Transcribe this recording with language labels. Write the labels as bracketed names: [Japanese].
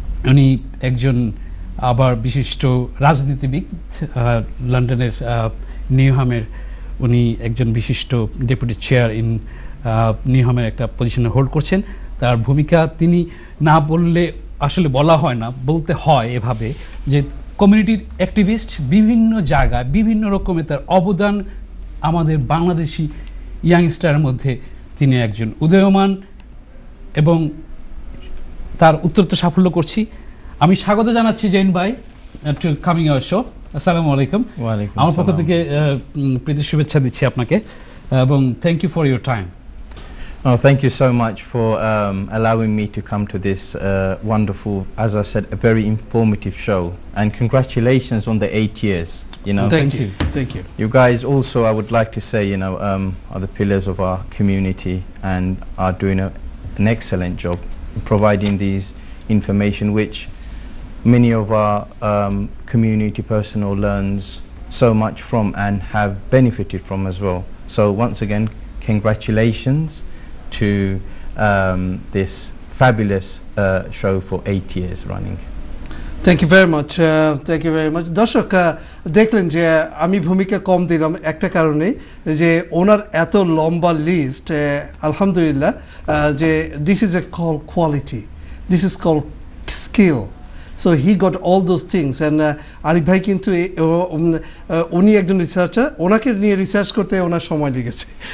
[Bangla] উনি একজন আবার বিশিষ্ট রাজনীতিবিদ লন্ডনের নিউহামের উনি একজন বিশিষ্ট ডেপুটি চেয়ার ইন নিউহামের একটা পজিশনে হোল্ড করছেন তার ভূমিকা তিনি না বললে আসলে বলা হয় না বলতে হয় এভাবে যে কমিউনিটির অ্যাক্টিভিস্ট বিভিন্ন জায়গায় বিভিন্ন রকমের তার অবদান আমাদের বাংলাদেশি ইয়াংস্টারের মধ্যে তিনি একজন উদীয়মান এবং তার উত্তরোত্তর সাফল্য করছি আমি স্বাগত জানাচ্ছি জৈন ভাই [English] to coming our show [Bangla] আসসালামু আলাইকুম আমার পক্ষ থেকে প্রীতি শুভেচ্ছা দিচ্ছি আপনাকে এবং [English] Thank you for your time Oh, thank you so much for allowing me to come to this wonderful, as I said, a very informative show. And congratulations on the 8 years. You know, thank you. You guys also, I would like to say, you know, are the pillars of our community and are doing an excellent job providing these information, which many of our community personnel learns so much from and have benefited from as well. So once again, congratulations. To this fabulous show for 8 years running. Thank you very much. [Bangla] দর্শক দেখলেন যে আমি ভূমিকা কম দিলাম একটা কারণে যে ওনার এত লম্বা লিস্ট আলহামদুলিল্লাহ যে [English] this is a call quality this is call skill so he got all those things [Bangla] and Arif ভাই কিন্তু উনি একজন রিসার্চার ওনাকে নিয়ে রিসার্চ করতে ওনার সময় লেগেছে